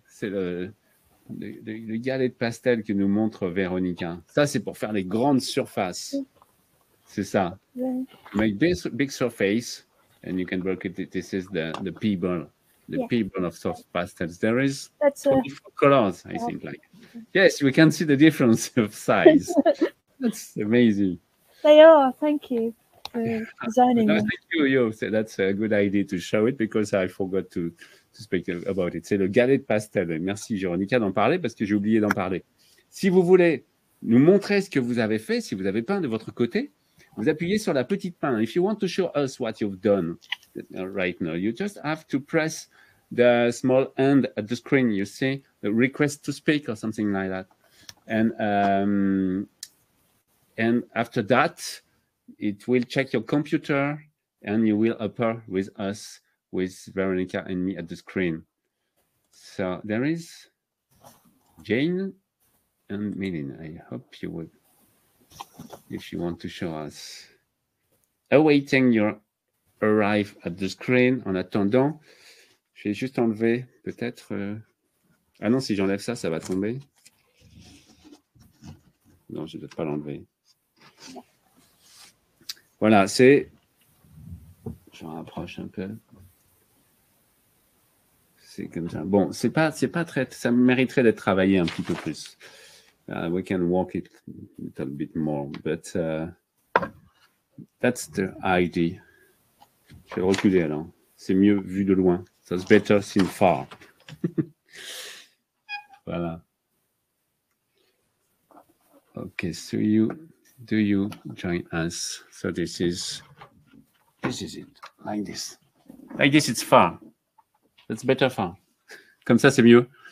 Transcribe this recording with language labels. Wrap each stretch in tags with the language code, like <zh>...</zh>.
<fr>C'est le galet de pastel que nous montre Véronica. Ça, c'est pour faire les grandes surfaces. C'est ça.</fr> <en>Yeah. Make this big surface, and you can work it. This is the pebble, pebble of soft pastels. There is 24 colors, I think. Like, yes, we can see the difference of size. That's amazing. They are. Thank you. Thank you. So that's a good idea to show it because I forgot to speak about it.</en> <fr>C'est le galet de pastel. Merci, Véronica, d'en parler parce que j'ai oublié d'en parler. Si vous voulez nous montrer ce que vous avez fait, si vous avez peint de votre côté, vous appuyez sur la petite main.</fr> <en>If you want to show us what you've done right now, you just have to press the small hand at the screen. You see the request to speak or something like that. And after that, it will check your computer and you will appear with us, with Veronica and me at the screen. So there is Jane and Melin. I hope you would, if you want to show us. Awaiting your arrive at the screen,</en> <fr>en attendant, je vais juste enlever peut-être... Ah non, si j'enlève ça, ça va tomber. Non, je ne dois pas l'enlever. Voilà, c'est, j'en rapproche un peu, c'est comme ça. Bon, c'est pas très, ça mériterait d'être travaillé un petit peu plus.</fr> <en>We can work it a little bit more, but that's the idea.</en> <fr>Je vais reculer alors, c'est mieux vu de loin.</fr> <en>That's better seen far.</en> <fr>Voilà.</fr> <en>Okay, so you... Do you join us? So this is it, like this. Like this, it's far. That's better far.</en> <fr>Comme ça, c'est mieux.</fr>